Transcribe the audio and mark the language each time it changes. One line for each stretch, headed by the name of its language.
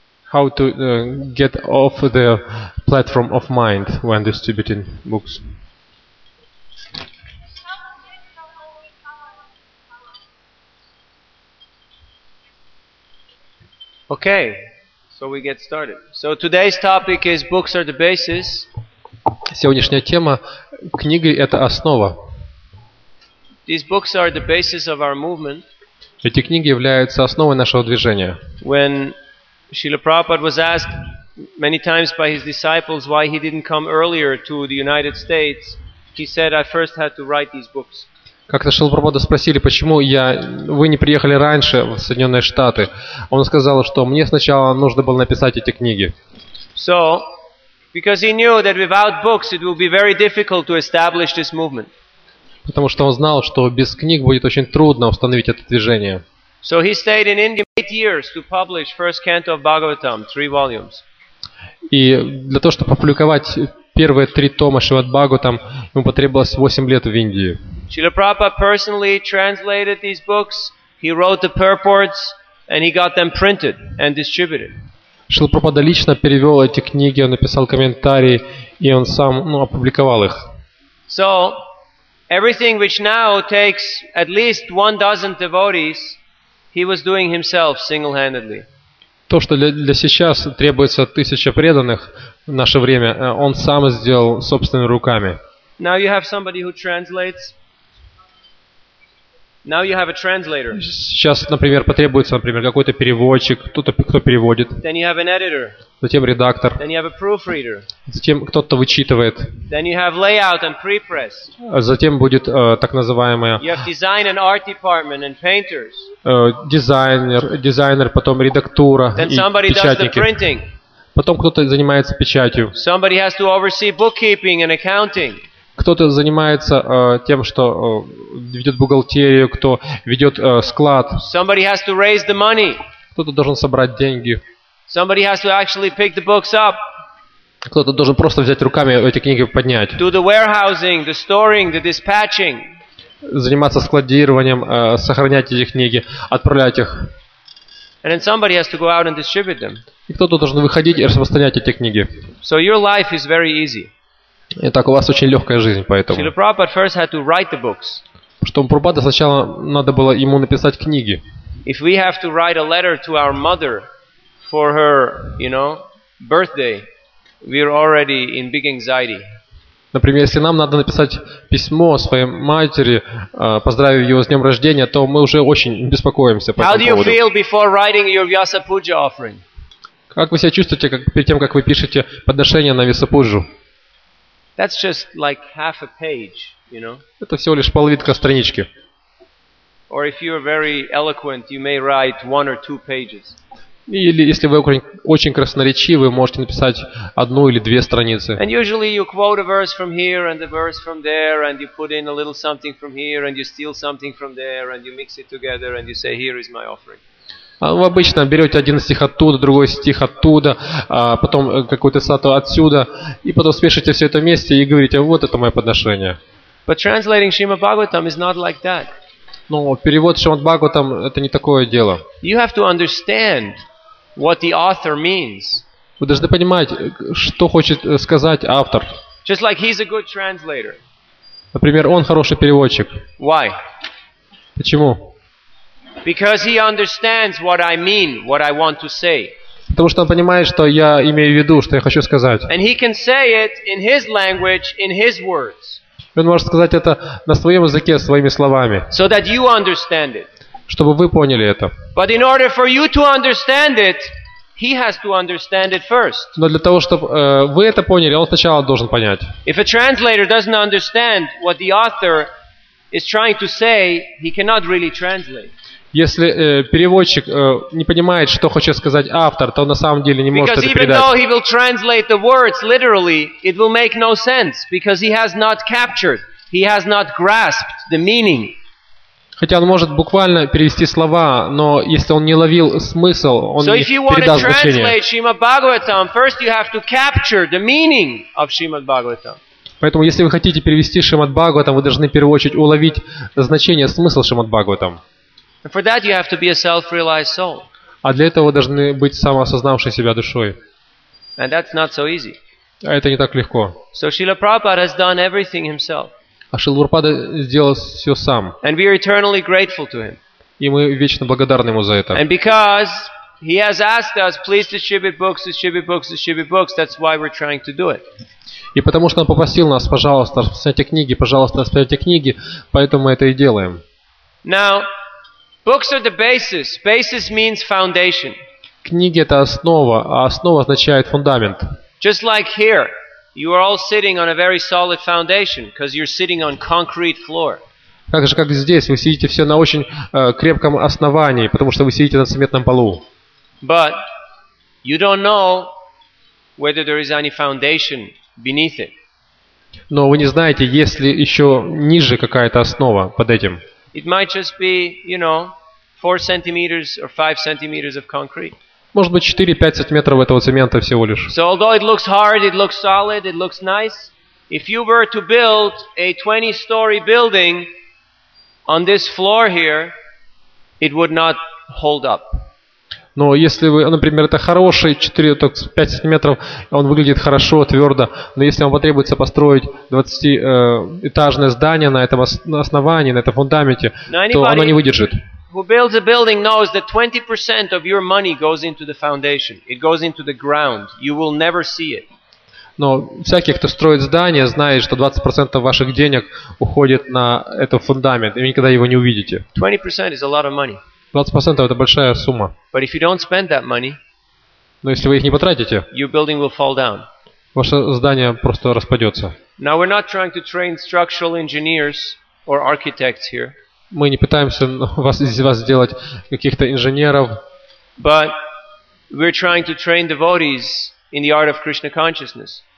English: How to get off the platform of mind when distributing books? Okay, so we get started. So today's topic is books are the basis.
Russian: Сегодняшняя тема книги это основа.
English: These books are the basis of our movement.
Russian: Эти книги являются основой нашего движения.
English: When Srila Prabhupada was asked many times by his disciples why he didn't come earlier to the United States, he said, "I first had to write these books."
Russian: Как-то Шрила Прабхупада спросили, почему вы не приехали раньше в Соединенные Штаты. Он сказал, что мне сначала нужно было написать эти книги.
English: So, because he knew that without books it will be very difficult to establish this movement.
Russian: Потому что он знал, что без книг будет очень трудно установить это движение.
English: So he stayed in India 8 years to publish first canto of Bhagavatam, 3 volumes.
Russian: И для того, чтобы опубликовать первые 3 тома Шривад-Бхагаватам, ему потребовалось 8 лет в Индии.
English: Srila Prabhupada personally translated these books, he wrote the purports, and he got them printed and distributed.
Russian: Srila Prabhupada лично перевел эти книги, он написал комментарии, и он сам, опубликовал их.
English: So, everything which now takes at least 12 devotees, he was doing himself single-handedly.
Russian: То, что для сейчас требуется 1000 преданных в наше время, он сам сделал собственными руками.
English: Now you have somebody who translates. Now you have a translator.
Russian: Сейчас, например, потребуется, например, какой-то переводчик, кто переводит.
English: Then you have an editor.
Russian: Затем редактор.
English: Then you have a proofreader.
Russian: Затем кто-то вычитывает.
English: Then you have layout and prepress.
Russian: Затем будет так называемая.
English: You have design and art department and painters.
Russian: Дизайнер, потом редактура и печатники.
English: Then somebody does the printing.
Russian: Потом кто-то занимается печатью.
English: Somebody has to oversee bookkeeping and accounting.
Russian: Кто-то занимается тем, что ведет бухгалтерию, кто ведет склад.
English: Somebody has to raise the money.
Russian: Кто-то должен собрать деньги.
English: Somebody has to actually pick the books up.
Russian: Кто-то должен просто взять руками эти книги и поднять.
English: Do the warehousing, the storing, the dispatching.
Russian: Заниматься складированием, сохранять эти книги, отправлять их.
English: And then somebody has to go out and distribute them.
Russian: И кто-то должен выходить и распространять эти книги.
English: So your life is very easy.
Russian: Итак, у вас очень легкая жизнь, поэтому.
English: Srila Prabhupada first had to write the books.
Russian: Что Прабхупада сначала надо было ему написать книги.
English: If we have to write a letter to our mother for her, birthday, we're already in big anxiety.
Russian: Например, если нам надо написать письмо своей матери, поздравив ее с днем рождения, то мы уже очень беспокоимся по этому поводу.
English: How do you feel before writing your Vyasa Puja offering?
Russian: Как вы себя чувствуете, перед тем, как вы пишете подношение на Вьясапуджу?
English: That's just like half a page, you know.
Russian: Это всего лишь половинка странички.
English: Or if you are very eloquent, you may write 1 or 2 pages.
Russian: Или если вы очень красноречивы, вы можете написать 1 или 2 страницы.
English: And usually you quote a verse from here and a verse from there, and you put in a little something from here, and you steal something from there, and you mix it together, and you say, "Here is my offering."
Russian: Вы обычно берете один стих оттуда, другой стих оттуда, потом какую-то цитату отсюда, и потом смешиваете все это вместе и говорите, вот это мое подношение.
English: But translating Srimad Bhagavatam is not like that.
Russian: Но перевод Шримад Бхагаватам это не такое дело.
English: You have to understand what the author means.
Russian: Вы должны понимать, что хочет сказать автор.
English: Just like he's a good translator.
Russian: Например, он хороший переводчик.
English: Why?
Russian: Почему?
English: Because he understands what I mean, what I want to say.
Russian: Потому что он понимает, что я имею в виду, что я хочу сказать.
English: And he can say it in his language, in his words.
Russian: Он может сказать это на своем языке, своими словами.
English: So that you understand it.
Russian: Чтобы вы поняли это.
English: But in order for you to understand it, he has to understand it first.
Russian: Но для того, чтобы вы это поняли, он сначала должен понять.
English: If a translator doesn't understand what the author is trying to say, he cannot really translate.
Russian: Если переводчик не понимает, что хочет сказать автор, то он на самом деле не может
English: because
Russian: это передать.
English: Because even though he will translate the words literally, it will make no sense because he has not captured, he has not grasped the meaning.
Russian: Хотя он может буквально перевести слова, но если он не ловил смысл, он не передаст значение.
English: So if you want to translate Srimad Bhagavatam, first you have to capture the meaning of Srimad Bhagavatam.
Russian: Поэтому, если вы хотите перевести Шримад Бхагаватам, вы должны в первую очередь уловить значение, смысл Шримад Бхагаватам.
English: And for that you have to be a self-realized soul.
Russian: А для этого вы должны быть самоосознавшей себя душой.
English: And that's not so easy.
Russian: А это не так легко.
English: So Srila Prabhupada has done everything himself.
Russian: А Шрила Прабхупада сделал все сам.
English: And we are eternally grateful to him.
Russian: И мы вечно благодарны ему за это.
English: And because he has asked us, please distribute books, distribute books, distribute books. That's why we're trying to do it.
Russian: И потому что он попросил нас, пожалуйста, распространяйте книги, пожалуйста, распространяйте книги, поэтому мы это и делаем.
English: Now, books are the basis. Basis means foundation.
Russian: Книги — это основа, а основа означает фундамент.
English: Just like here, you are all sitting on a very solid foundation because you're sitting on concrete floor.
Russian: Так же, как здесь, вы сидите все на очень крепком основании, потому что вы сидите на цементном полу.
English: But you don't know whether there is any foundation beneath it.
Russian: Но вы не знаете, есть ли еще ниже какая-то основа под этим.
English: It might just be, you know, 4 centimeters or 5 centimeters of concrete.
Russian: Может быть, 4-5 сантиметров этого цемента всего лишь.
English: So although it looks hard, it looks solid, it looks nice, if you were to build a 20-story building on this floor here, it would not hold up.
Russian: Но если вы, например, это хороший 4-5 сантиметров, он выглядит хорошо, твердо, но если вам потребуется построить 20-этажное здание на этом основании, на этом фундаменте, то оно не выдержит.
English: Who builds a building knows that 20% of your money goes into the foundation. It goes into the ground. You will never see it.
Russian: Но всякий, кто строит здание, знает, что 20% ваших денег уходит на этот фундамент, и вы никогда его не увидите.
English: 20% is a lot of money.
Russian: 20% это большая сумма.
English: But if you don't spend that money,
Russian: но если вы их не потратите,
English: your building will fall down.
Russian: Ваше здание просто распадется.
English: Now we're not trying to train structural engineers or architects here.
Russian: Мы не пытаемся из вас сделать каких-то инженеров.
English: But we're trying to train devotees in the art of Krishna consciousness.